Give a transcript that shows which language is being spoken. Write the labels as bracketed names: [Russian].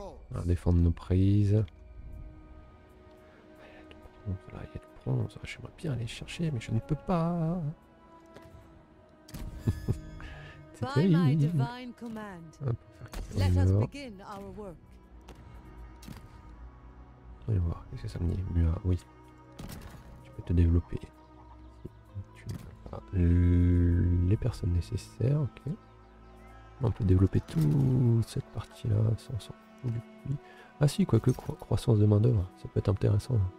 [French] On va défendre nos prises. Là il y a de bronze. J'aimerais bien aller chercher mais je ne peux pas. [English] By my divine command, let us begin our work. [French] Allez voir, qu'est-ce que ça me dit, Mua? Oui, je peux te développer. Tu as les personnes nécessaires, ok. On peut développer toute cette partie-là sans s'en occuper. Ah si, quoique croissance de main-d'œuvre, ça peut être intéressant.